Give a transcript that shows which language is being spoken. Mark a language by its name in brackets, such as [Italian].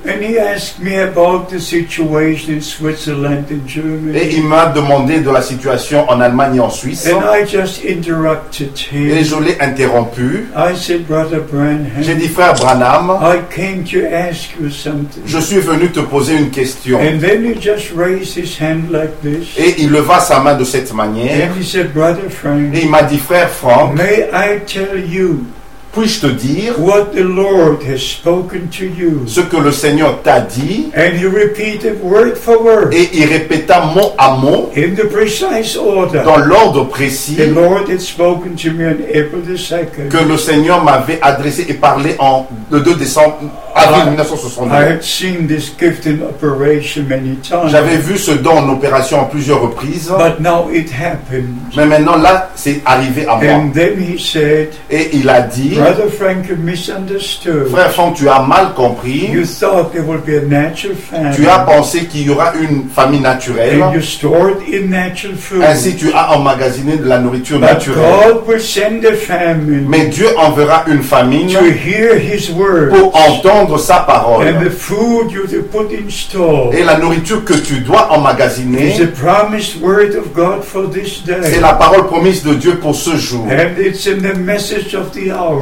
[English] And he asked me about the situation in Switzerland and Germany. [French] Et il m'a demandé de la situation en Allemagne et en Suisse. [English] And I just interrupted him. [French] Et je l'ai interrompu. [English] I said, Brother Branham, [French] j'ai dit, Frère Branham, [English] I came to ask you something. [French] Je suis venu te poser une question. [English] And then he just raised his hand like this. [French] Et il leva sa main de cette manière. [English] And he said, Brother Frank, [French] et il m'a dit, Frère Frank, [English] may I tell you, [French] puis-je te dire, [English] what the Lord has spoken to you, [French] ce que le Seigneur t'a dit, [English] and he repeated word for word, [French] et il répéta mot à mot, [English] in the precise order, [French] dans l'ordre précis, [English] the Lord had spoken to me on April the 2nd, [French] que le Seigneur m'avait adressé et parlé en le 2 décembre. [English] I had seen this gift in operation many times. [French] J'avais vu ce don en opération en plusieurs reprises. [English] But now it happened. [French] Mais maintenant là, c'est arrivé à moi. [English] And then he said, [French] et il a dit, [English] Brother Frank, you misunderstood. [French] Frère Frank, tu as mal compris. [English] You thought there would be a natural famine. [French] Tu as pensé qu'il y aura une famine naturelle. [English] And you stored in natural food. [French] Ainsi, tu as emmagasiné de la nourriture [English] but [French] naturelle. [English] God will send a famine. [French] Mais Dieu enverra une famine [English] to hear his words. [French] Pour entendre sa parole. [English] And the food you put in store, [French] et la nourriture que tu dois emmagasiner, [English] is a promised word of God for this day. [French] C'est la parole promise de Dieu pour ce jour. [English] And it's in the message of the hour,